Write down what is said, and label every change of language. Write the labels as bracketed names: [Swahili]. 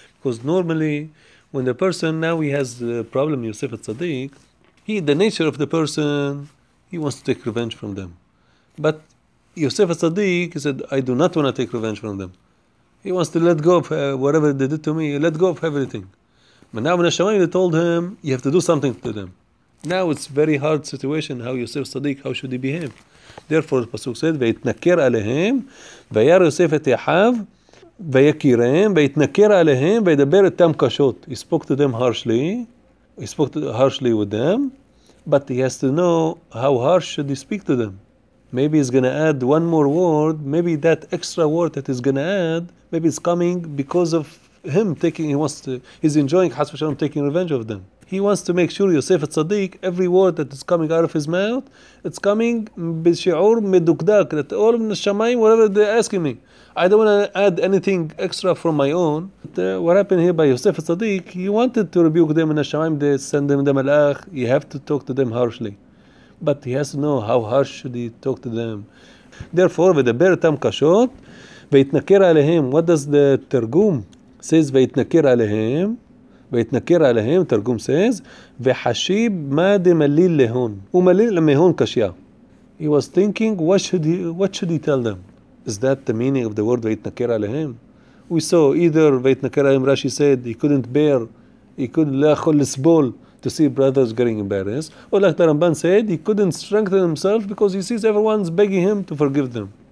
[English] Because normally, when the person, now he has a problem, Yosef HaTzadik, the nature of the person, he wants to take revenge from them. But Yosef HaTzadik said, I do not want to take revenge from them. He wants to let go of whatever they did to me, let go of everything. But now Min Hashamayim told him, you have to do something to them. Now it's a very hard situation, how Yosef HaTzadik, how should he behave? [Hebrew] Therefore, the Pasuk said, ויתנקר עליהם, וירא יוסף את אחיו, ויקיריהם, ויתנקר עליהם, וידבר איתם קשות. [English] He spoke to them harshly. He spoke harshly with them. But he has to know how harsh should he speak to them. Maybe he's going to add one more word. Maybe that extra word that he's going to add, maybe it's coming because of him taking, he's enjoying Chas v'Shalom taking revenge of them. He wants to make sure Yosef HaTzadik, every word that is coming out of his mouth, it's coming [Hebrew] b'shi'ur meduqdak, [English] that all of the Shamayim, whatever they're asking me. I don't want to add anything extra from my own. But, what happened here by Yosef HaTzadik, he wanted to rebuke them in the Shamayim, they send them the Malach, you have to talk to them harshly. But he has to know how harsh should he talk to them. Therefore, [Hebrew] v'daber etam kashot, v'itnakir alehim. [English] What does the Targum say? [Hebrew] V'itnakir alehim. ויתנקר עליהם, תרגום says, [Aramaic] וחשיב מה דמליל להון. הוא מליל למהון קשיה. [English] He was thinking, what should he tell them? Is that the meaning of the word [Hebrew] ויתנקר עליהם? [English] We saw either [Hebrew] ויתנקר עליהם, [English] Rashi said, he couldn't bear, he couldn't [Hebrew] לאכול לסבול [English] to see brothers getting embarrassed. Or like the Ramban said, he couldn't strengthen himself because he sees everyone's begging him to forgive them.